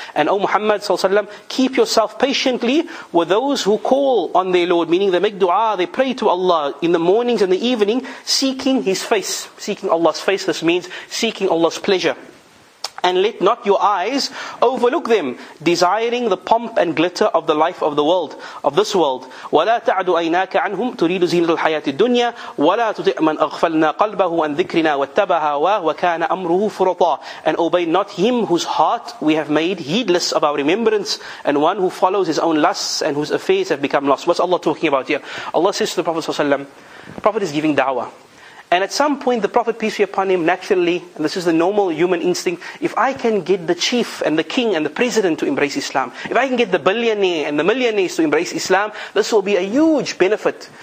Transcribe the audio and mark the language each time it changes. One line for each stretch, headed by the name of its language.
English: And O Muhammad sallallahu alaihi wasallam, keep yourself patiently with those who call on their Lord, meaning they make dua, they pray to Allah in the mornings and the evening, seeking His face, seeking Allah's face. This means seeking Allah's pleasure. and let not your eyes overlook them, desiring the pomp and glitter of the life of the world, of this world.
Arabic: ولا تعد عيناك عنهم تريد زينة الحياة الدنيا ولا تطع من أغفلنا قلبه عن ذكرنا واتبع هواه وكان أمره فرطا.
English: And obey not him whose heart we have made heedless of our remembrance, and one who follows his own lusts and whose affairs have become lost. What's Allah talking about here? Allah says to the Prophet ﷺ, Prophet is giving da'wah. And at some point the Prophet, peace be upon him, naturally, and this is the normal human instinct, if I can get the chief and the king and the president to embrace Islam, if I can get the billionaire and the millionaires to embrace Islam, this will be a huge benefit.